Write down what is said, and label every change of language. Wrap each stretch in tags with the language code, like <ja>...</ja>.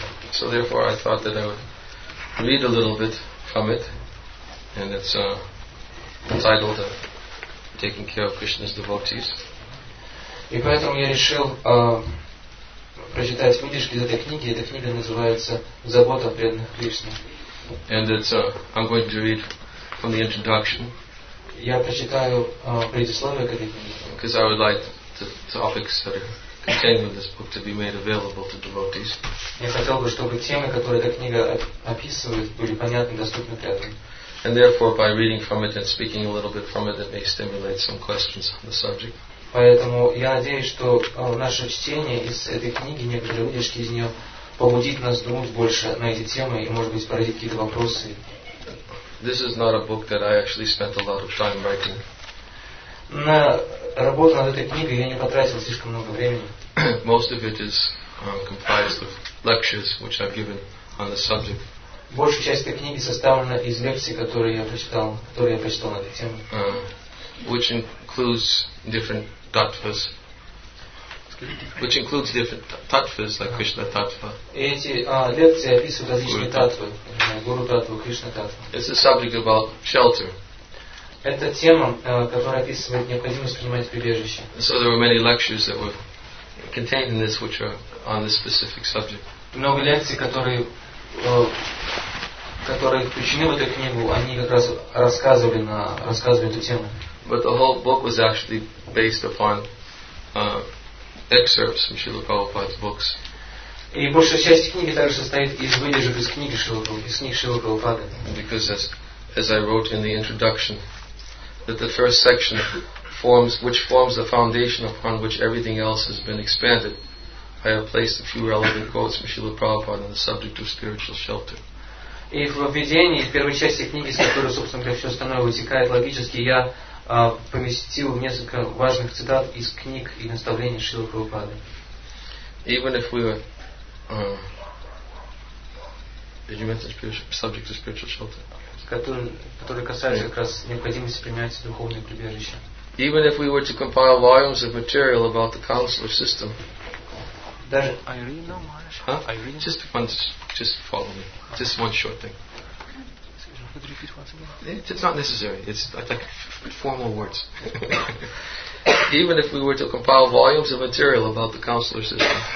<en>So therefore I thought that I would read a little bit from it, and it's entitled Taking Care of Krishna's Devotees.</en> <ru>И поэтому я решил прочитать выдержки из этой книги. Эта книга называется «Забота о преданных Кришне».</ru> <en>And it's I'm going to read from the introduction.</en> <ru>Я прочитаю предисловие к этой книге.</ru> <en>Because I would like the topics that are contained in this book to be made available to devotees.</en> <ru>Я хотел бы, чтобы темы, которые эта книга описывает, были понятны и доступны преданным.</ru> <en>And therefore, by reading from it and speaking a little bit from it, it may stimulate some questions on the subject.</en> <ru>Поэтому я надеюсь, что наше чтение из этой книги, некоторые выдержки из нее, побудит нас думать больше на эти темы и, может быть, породит какие-то вопросы.</ru> <en>This is not a book that I actually spent a lot of time writing.</en> <ru>На работу над этой книгой я не потратил слишком много времени.</ru> <en>Most of it is comprised of lectures, which I've given on the subject.</en> <ru>Большая часть этой книги составлена из лекций, которые я прочитал на эту тему.</ru> <en>Which includes different tattvas. Which includes different tattvas, like Krishna tattva.</en> <ru>Эти лекции описывают различные tattvas, Guru tattva, Krishna tattva.</ru> <en>It's a subject about shelter.</en> <ru>Это тема, которая описывает необходимость принимать прибежище.</ru> <en>So there were many lectures that were contained in this, which are on this specific subject.</en> <ru>Много лекций, которые включены в эту книгу, они как раз рассказывали эту тему.</ru> <en>But the whole book was actually based upon excerpts from Srila Prabhupada's books.</en> <ru>И большая часть книги также состоит из выдержек из книги Шрилы Прабхупады.</ru> <en>Because as I wrote in the introduction, that the first section forms the foundation upon which everything else has been expanded, I have placed a few relevant quotes from Srila Prabhupada on the subject of spiritual shelter.</en> <ru>И в введении, в первой части книги, с которой, собственно говоря, все остальное вытекает логически, я поместил несколько важных цитат из книг и наставлений Шрилы Прабхупады.</ru> <en>Even if we were... did you mention subject of spiritual shelter?</en> <ru>Который касается как раз необходимости принять духовное прибежище.</ru> <en>Even if we were to compile volumes of material about the counselor system, Just follow me. Just one short thing. It's not necessary. It's like formal words. Even if we were to compile volumes of material about the counselor system.</en>